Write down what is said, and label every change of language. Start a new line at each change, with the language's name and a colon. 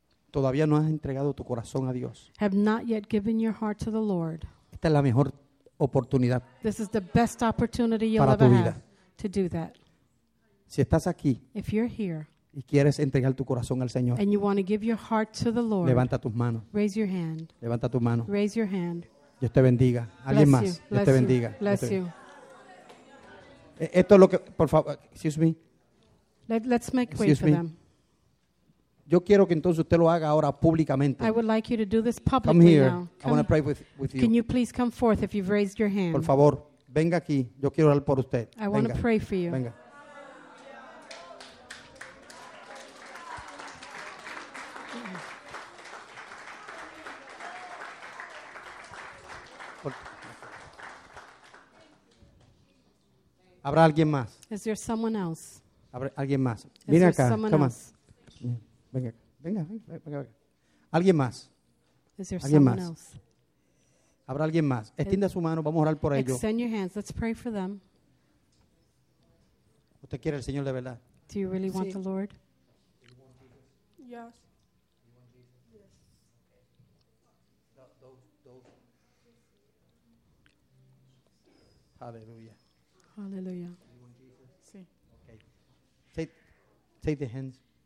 Spanish: Todavía no has entregado tu corazón a Dios.
English: Have not yet given your heart to the Lord.
Spanish: Esta es la mejor oportunidad.
English: This is the best opportunity you'll ever have to do that.
Spanish: Si estás aquí.
English: If you're here.
Spanish: Y quieres entregar tu corazón al Señor.
English: And you want to give your heart to the Lord.
Spanish: Levanta tus manos.
English: Raise your hand.
Spanish: Levanta tu mano.
English: Raise your hand.
Spanish: Dios te bendiga. Alguien
English: bless
Spanish: más. Dios te bendiga.
English: Bless
Spanish: bendiga.
English: You.
Spanish: Esto es lo que, por favor,
English: excuse me. Let's make way for them.
Spanish: Yo quiero que entonces usted lo haga ahora públicamente.
English: I would like you to do this publicly. Come here. Now. Come. I want to pray with you. Can you please come forth if you've raised your hand?
Spanish: Por favor, venga aquí. Yo quiero orar por usted.
English: I want to pray for you.
Spanish: Venga. Habrá alguien más.
English: Is there someone else?
Spanish: Habrá alguien más. Viene acá.
English: Come on.
Spanish: Venga, venga, venga, venga. Alguien más.
English: Is there someone else?
Spanish: Habrá alguien más. Extienda su mano, vamos a orar por ellos.
English: Extend your hands. Let's pray for them.
Spanish: ¿Usted quiere el Señor de verdad?
English: Do you really want the Lord? Yes. Hallelujah. Hallelujah. Sí. Okay. Take the hands.